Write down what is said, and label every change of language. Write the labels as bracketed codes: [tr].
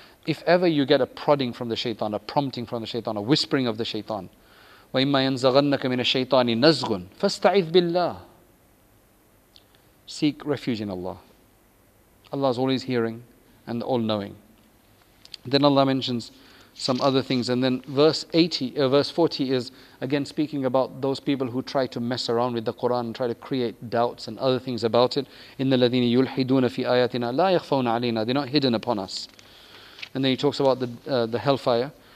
[en] If ever you get a prodding from the shaitan, a prompting from the shaitan, a whispering of the shaitan, [ar] وَإِمَّا يَنْزَغَنَّكَ مِنَ الشَّيْطَانِ نَزْغٌ فَاسْتَعِذْ بِاللَّهِ [en] Seek refuge in Allah. Allah is always hearing and all-knowing. Then Allah mentions some other things. And then verse 40 is again speaking about those people who try to mess around with the Qur'an and try to create doubts and other things about it. [ar] إِنَّ الَّذِينَ يُلْحِدُونَ فِي آيَاتِنَا لَا يَخْفَوْنَ عَلَيْنَا [en] They're not hidden upon us. And then he talks about the hellfire.